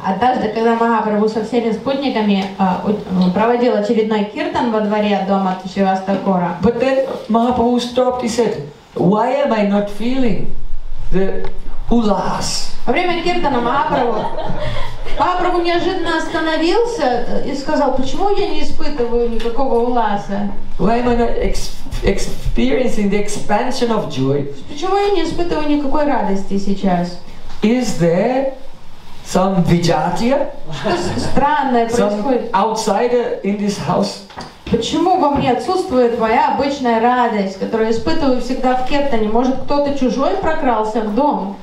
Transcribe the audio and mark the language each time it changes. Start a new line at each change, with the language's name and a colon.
Russian: Однажды, когда Махапрабху со всеми спутниками проводил очередной киртан во дворе дома Шривастакура.
English: But then Mahaprabhu stopped. He said, "Why am I not feeling the ulas?"
Russian: Во время киртана Махапрабху неожиданно остановился и сказал, почему я не испытываю никакого уласа?
English: Why am I not experiencing the expansion of joy?
Russian: Почему я не испытываю никакой радости сейчас?
English: Is there some vijatya?
Russian: Что странное происходит?
English: Some outsider in this house?
Russian: Почему во мне отсутствует моя обычная радость, которую я испытываю всегда в киртане? Может, кто-то чужой прокрался в дом?